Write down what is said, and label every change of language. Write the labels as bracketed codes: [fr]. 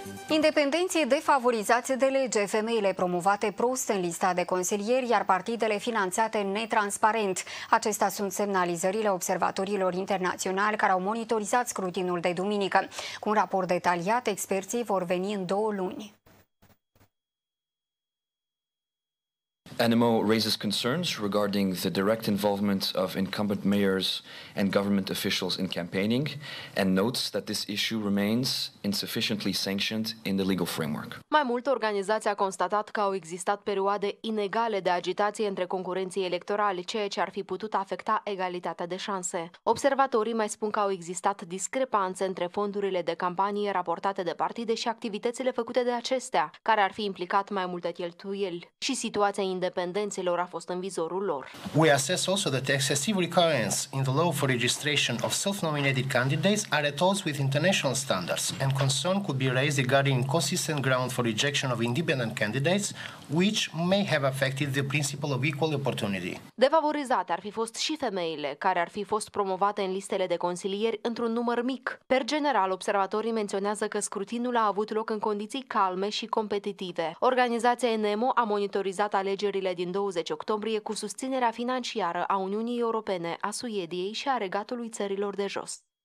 [ro] Independenții defavorizați de lege, femeile promovate prost în lista de consilieri, iar partidele finanțate netransparent. Acestea sunt semnalizările observatorilor internaționali care au monitorizat scrutinul de duminică. Cu un raport detaliat, experții vor veni în două luni. [en] NMO raises concerns regarding the direct involvement of incumbent mayors and government officials in campaigning and notes that this issue remains insufficiently sanctioned in the legal framework. [ro] Mai mult, organizația a constatat că au existat perioade inegale de agitație între concurenții electorali, ceea ce ar fi putut afecta egalitatea de șanse. Observatorii mai spun că au existat discrepanțe între fondurile de campanie raportate de partide și activitățile făcute de acestea, care ar fi implicat mai multe cheltuieli, și situația independențelor a fost în vizorul lor. [en] We assess also that the excessive recurrence in the law for registration of self-nominated candidates are at odds with international standards, and concern could be raised regarding consistent ground for rejection of independent candidates, which may have affected the principle of equal opportunity. [ro] Defavorizate ar fi fost și femeile, care ar fi fost promovate în listele de consilieri într-un număr mic. Per general, observatorii menționează că scrutinul a avut loc în condiții calme și competitive. Organizația NMO a monitorizat alegerile din 20 octombrie cu susținerea financiară a Uniunii Europene, a Suediei și a Regatului Țărilor de Jos.